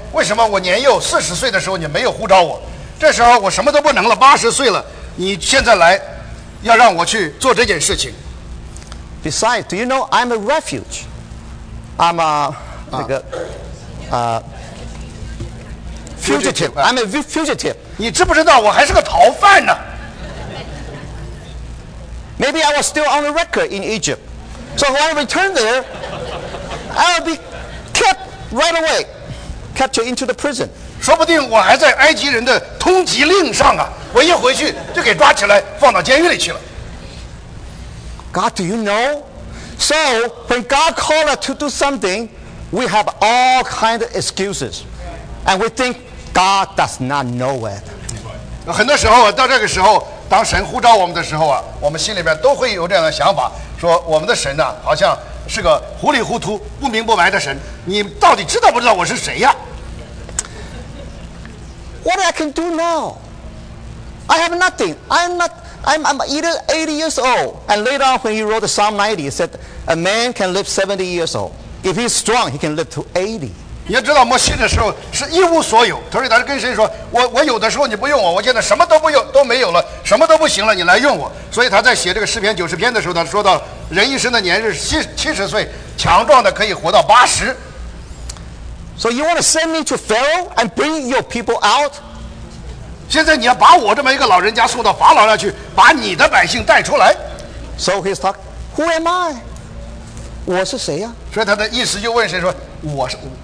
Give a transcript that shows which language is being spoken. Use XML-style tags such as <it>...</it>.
<zh>为什么我年幼四十岁的时候你没有呼召我？这时候我什么都不能了，八十岁了，你现在来，要让我去做这件事情。</zh> <en>Besides, do you know I'm a refuge? I'm a fugitive. I'm a fugitive.</en> <zh>你知不知道我还是个逃犯呢</zh> <en>？Maybe I was still on the record in Egypt, so when I return there, I'll be kept right away. Capture into the prison.</en> <zh>说不定我还在埃及人的通缉令上啊！我一回去就给抓起来，放到监狱里去了。</zh> <en>God, do you know? So when God calls us to do something, we have all kind of excuses, and we think God does not know it.</en> <zh>很多时候，到这个时候，当神呼召我们的时候啊，我们心里面都会有这样的想法，说我们的神呢、啊，好像。是个糊里糊涂不明不白的神，你到底知道不知道我是谁呀？</zh> <en>What I can do now? I have nothing. I'm either 80 years old. And later on when he wrote the Psalm 90, he said a man can live 70 years old. If he's strong, he can live to 80.</en> <zh>你要知道摩西的时候是一无所有，所以他跟神说我有的时候你不用我，我现在什么都不用都没有了，什么都不行了，你来用我。所以他在写这个诗篇90篇的时候，他说到人一生的年日70岁，强壮的可以活到八十。</zh> <en>So you want to send me to Pharaoh and bring your people out?</en> <zh>现在你要把我这么一个老人家送到法老那去，把你的百姓带出来。</zh> <en>So he's talk, who am I?</en> <zh>我是谁呀、啊？所以他的意思就问谁说，我是谁、</zh>